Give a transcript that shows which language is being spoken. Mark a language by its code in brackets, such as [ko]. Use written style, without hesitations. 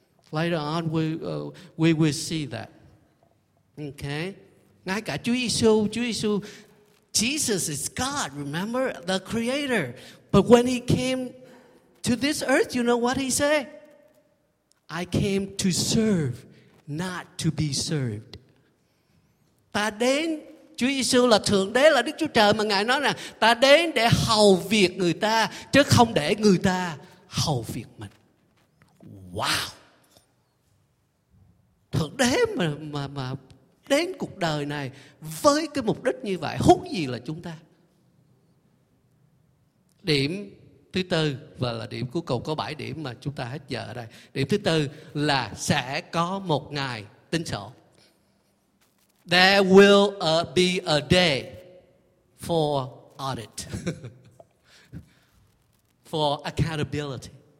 [en] Later on, we will see that. Okay? [vi] Ngay cả Chúa Giêsu, [en] Jesus is God, remember? The creator. But when he came to this earth, you know what he said? I came to serve, not to be served. [vi] Ta đến, Chúa Giêsu là Thượng Đế, là Đức Chúa Trời, mà Ngài nói là ta đến để hầu việc người ta, chứ không để người ta hầu việc mình. Wow! Thượng Đế mà đến cuộc đời này với cái mục đích như vậy, hút gì là chúng ta? Điểm thứ tư, và là điểm cuối cùng, có 7 điểm mà chúng ta hết giờ ở đây. Điểm thứ tư là sẽ có một ngày tính sổ. [en] There will be a day for audit, for accountability.